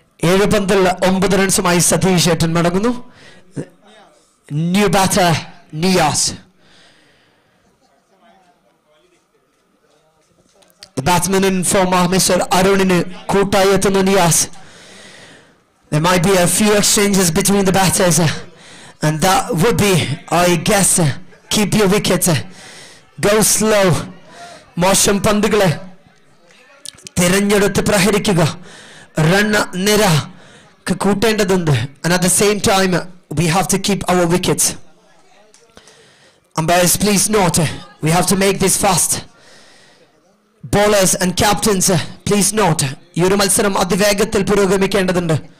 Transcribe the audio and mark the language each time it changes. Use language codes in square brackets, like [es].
[ml] ഏഴ് പന്തിൽ ഒമ്പത് റൺസുമായി സതീഷ് ഏട്ടൻ മടങ്ങുന്നു. New batter Niyas. [en] batsman in form [ml] Maheshwar അരുണിന് കൂട്ടായി എത്തുന്നു Niyas. [en] There might be a few exchanges between the batters, and that would be, I guess, keep your wicket, go slow. [ml] മോശം പന്തുകളെ തിരഞ്ഞെടുത്ത് പ്രഹരിക്കുക, റൺ നിര കൂട്ടേണ്ടതുണ്ട്. [en] And at the same time, we have to keep our wickets. Umpires, please note, we have to make this fast. Bowlers and captains, please note, [ml] ഈ ഒരു മത്സരം അതിവേഗത്തിൽ പുരോഗമിക്കേണ്ടതുണ്ട്.